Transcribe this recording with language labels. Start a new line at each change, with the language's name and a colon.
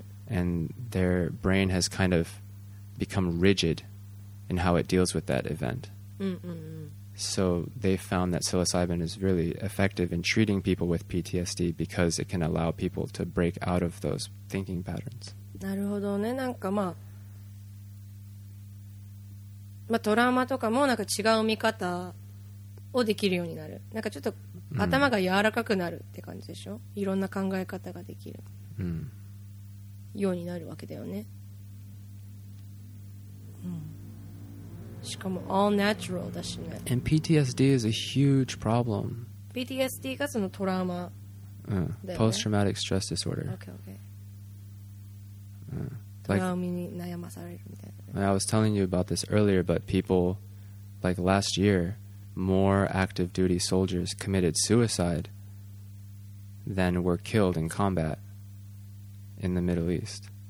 English: And their brain has kind of become rigid and how it deals with that event. So they found that psilocybin is really effective in treating people with PTSD because it can allow people to break out of those thinking patterns.
Japanese: なるほどね。なんかまあ、まあトラウマとかもなんか違う見方をできるようになる。なんかちょっと頭が柔らかくなるって感じでしょ。いろんな考え方ができるようになるわけだよね。しかも
English: all natural
Japanese: だしね。
English: And PTSD is a huge problem.
Japanese: PTSD がそのトラウマ、
English: Post-traumatic stress disorder. Okay.
Japanese: トラウマに悩まされるみたいな。
English: I was telling you about this earlier, but people, like last year, more active duty soldiers committed suicide than were killed in combat in the Middle East.